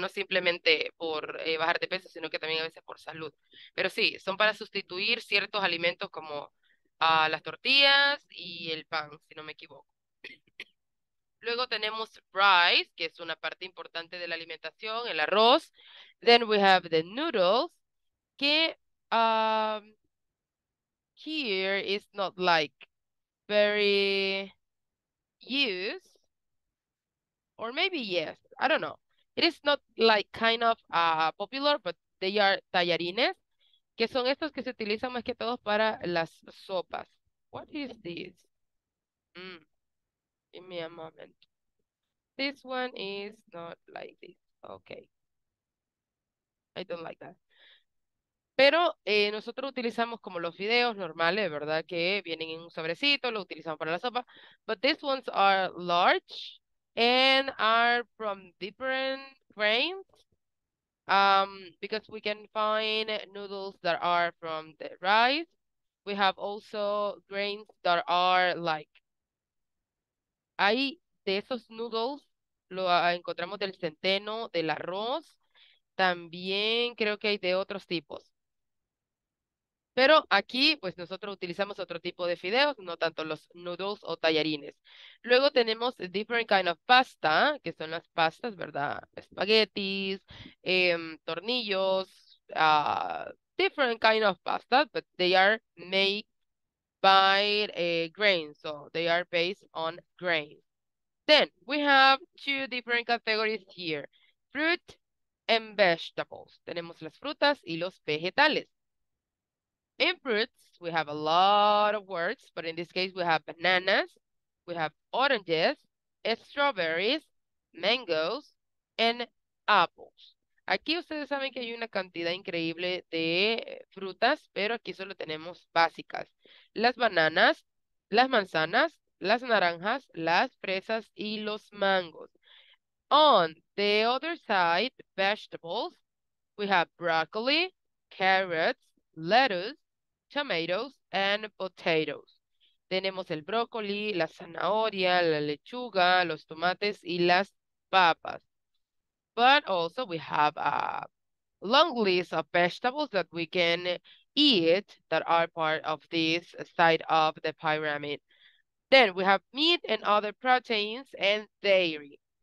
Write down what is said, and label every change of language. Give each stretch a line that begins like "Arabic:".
Spanish: No simplemente por bajar de peso, sino que también a veces por salud. Pero sí, son para sustituir ciertos alimentos como las tortillas y el pan, si no me equivoco. Luego tenemos rice, que es una parte importante de la alimentación, el arroz.
English: Then we have the noodles, que here is not like very used, or maybe yes, I don't know. It is not like kind of popular, but they are tallarines,
Spanish: que son estos que se utilizan más que todo para las sopas.
English: What is this? Give me a moment. This one is not like this. Okay. I don't like that.
Spanish: Pero nosotros utilizamos como los fideos normales, ¿verdad? Que vienen en un sobrecito, lo utilizamos para la sopa.
English: But these ones are large and are from different grains. Because we can find noodles that are from the rice. We have also grains that are like
Spanish: hay de esos noodles, lo encontramos del centeno, del arroz, también creo que hay de otros tipos. Pero aquí, pues nosotros utilizamos otro tipo de fideos, no tanto los noodles o tallarines. Luego tenemos
English: different kind of pasta,
Spanish: que son las pastas, ¿verdad?
English: Espaguetis, tornillos, different kind of pasta, but they are made by a grain, so they are based on grain. Then we have two different categories here, fruit and vegetables.
Spanish: Tenemos las frutas y los vegetales.
English: In fruits, we have a lot of words, but in this case, we have bananas, we have oranges, strawberries, mangoes, and apples.
Spanish: Aquí ustedes saben que hay una cantidad increíble de frutas, pero aquí solo tenemos básicas. Las bananas, las manzanas, las naranjas, las fresas y los mangos.
English: On the other side, vegetables, we have broccoli, carrots, lettuce, tomatoes, and potatoes.
Spanish: Tenemos el brócoli, la zanahoria, la lechuga, los tomates y las papas.
English: But also we have a long list of vegetables that we can eat that are part of this side of the pyramid. Then we have meat and other proteins and dairy.